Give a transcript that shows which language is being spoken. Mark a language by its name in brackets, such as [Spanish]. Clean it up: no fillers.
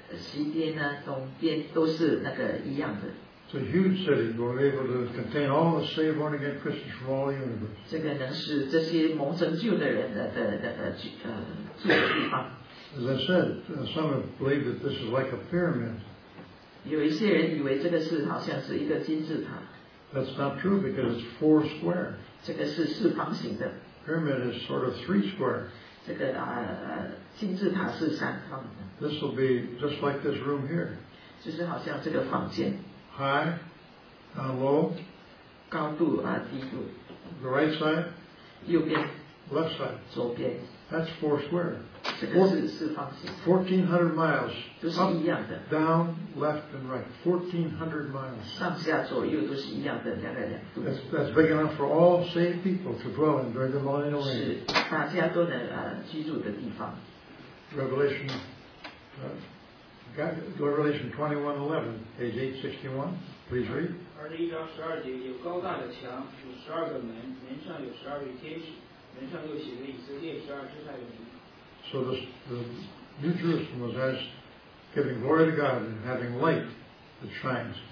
[Chinese] 西边呢，东边都是那个一样的。 [English] It's a huge city, will be able to contain all the saved born again Christians from all the universe. [Chinese] 这个能是这些蒙拯救的人住的地方。 [English] As I said, some have believed that this is like a pyramid. [Chinese] 有一些人以为这个是好像是一个金字塔。 [English] That's not true because it's four square. [Chinese] 这个是四方形的。 [English] Pyramid is sort of three square. [Chinese] 这个金字塔是三方的。 [English] This will be just like this room here. [Chinese] 就是好像这个房间。 [English] High, low. [Chinese] 高度啊，低度。 [English] The right side. [Chinese] 右边。 [English] Left side. [Chinese] 左边。 [English] That's four square. [Chinese] 这个是四方形。 [English] 1400 miles. [Chinese] 都是一样的。 [English] Down, left, and right. 1400 miles. [Chinese] 上下左右都是一样的，两个两度。 [English] That's big enough for all saved people to dwell in during the millennial reign. [Chinese] 是大家都能居住的地方。 [English] Revelation. Revelation 21:11, page 861, please read. [Chinese] 21:12, 有高大的墙，有十二个门，门上有十二位天使，门上又写着以色列十二支派的名。 [English] So the New Jerusalem was as giving glory to God and having light that shines.